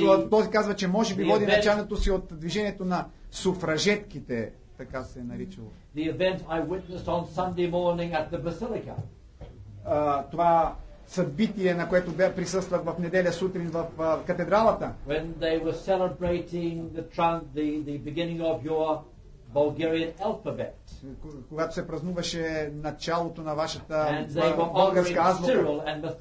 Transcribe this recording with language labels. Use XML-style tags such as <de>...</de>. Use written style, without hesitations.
<bg>Този казва, че може би води началото си от движението на суфражетките, така се е наричало.</bg> <en>The event I witnessed on Sunday morning at the Basilica.</en> <bg>Това събитие, на което бе присъствал в неделя сутрин в катедралата.</bg> <en>When they were celebrating the beginning of your Bulgarian alphabet.</en> <bg>Когато се празнуваше началото на вашата българска азбука.</bg>